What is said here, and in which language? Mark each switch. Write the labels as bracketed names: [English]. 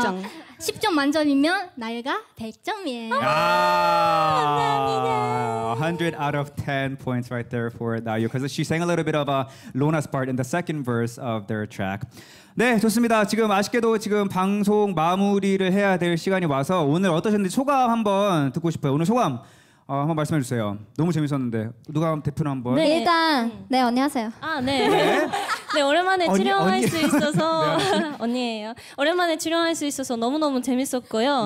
[Korean] 100점이요 10점 만점이면 나이가 100점이에요. [English] 100 out of 10 points right there for Nayu. Because she sang a little bit of Lona's part in the second verse of their track. [Korean] 네, 좋습니다. 지금 아쉽게도 지금 방송 마무리를 해야 될 시간이 와서 오늘 어떠셨는지 소감 한번 듣고 싶어요. 오늘 소감 한번 말씀해 주세요. 너무 재밌었는데 누가 대표로 한번. 네, 일단 네, 안녕하세요. 아, 네. 네, 오랜만에 언니, 출연할 언니. 수 있어서 네. 언니예요. 오랜만에 출연할 수 있어서 너무너무 재밌었고요.